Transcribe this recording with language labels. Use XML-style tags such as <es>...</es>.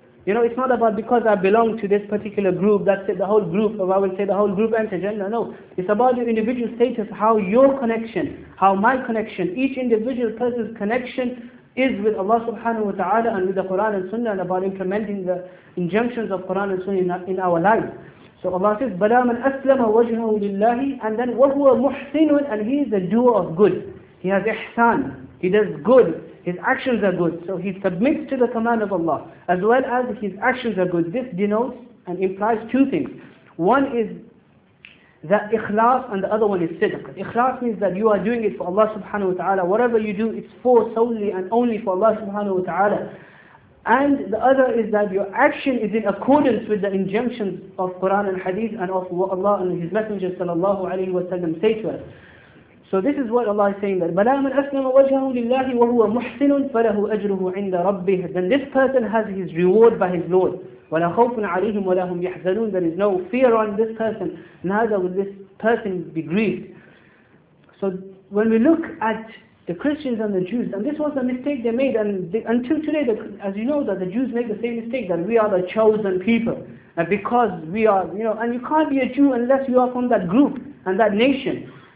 <en>You know, it's not about because I belong to this particular group, that's it, the whole group, or I will say the whole group enter Jannah. No, it's about your individual status, how your connection, how my connection, each individual person's connection is with Allah subhanahu wa ta'ala and with the Quran and Sunnah, and about implementing the injunctions of Quran and Sunnah in our lives. So Allah says,</en> <ar>بَلَى مَنْ أَسْلَمَ وَجْهُهُ لِلَّهِ.</ar> <en>And then,</en> <ar>وَهُوَ مُحْسِنٌ.</ar> <en>And he is a doer of good. He has ihsan. He does good. His actions are good. So he submits to the command of Allah. As well as his actions are good. This denotes and implies two things. One is the ikhlas and the other one is sidq. Ikhlas means that you are doing it for Allah subhanahu wa ta'ala. Whatever you do, it's for solely and only for Allah subhanahu wa ta'ala. And the other is that your action is in accordance with the injunctions of Quran and Hadith and of what Allah and His Messenger sallallahu alaihi wasallam say to us. So this is what Allah is saying, that</en> <ar>بَلَا مَنْ أَسْلَمَ وَجْهَهُ لِلَّهِ وَهُوَ مُحْسِنٌ فَلَهُ أَجْرُهُ عِنْدَ رَبِّهِ.</ar> <en>Then this person has his reward by his Lord.</en> <ar>وَلَا خَوْفٌ عَلَيْهِمْ وَلَا هُمْ يَحْزَنُونَ.</ar> <en>There is no fear on this person. Neither will this person be grieved. So when we look at the Christians and the Jews, and this was a mistake they made, and until today, as you know, that the Jews make the same mistake, that we are the chosen people, and because we are, you know, and you can't be a Jew unless you are from that group and that nation.</en>